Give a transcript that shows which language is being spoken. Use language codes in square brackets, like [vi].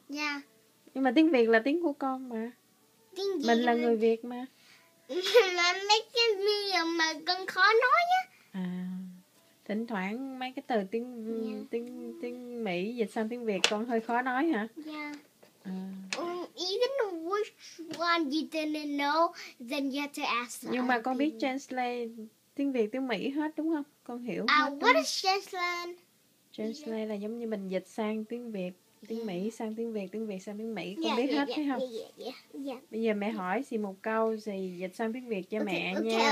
[vi] Dạ. Yeah. Nhưng mà tiếng Việt là tiếng của con mà. Tiếng Việt mình là người Việt mà. Mà mấy cái mi mà con khó nói á. Thỉnh thoảng mấy cái từ tiếng tiếng Mỹ dịch sang tiếng Việt con hơi khó nói hả? Dạ. [en] Even which one you didn't know, then you have to ask. [vi] Nhưng mà con biết translate tiếng Việt tiếng Mỹ hết đúng không? Con hiểu. [en] What is translate? [vi] Translate là giống như mình dịch sang tiếng Việt tiếng Mỹ sang tiếng Việt sang tiếng Mỹ. Con biết hết phải không? [en] Yeah. [vi] Bây giờ mẹ hỏi gì một câu gì dịch sang tiếng Việt cho mẹ nha.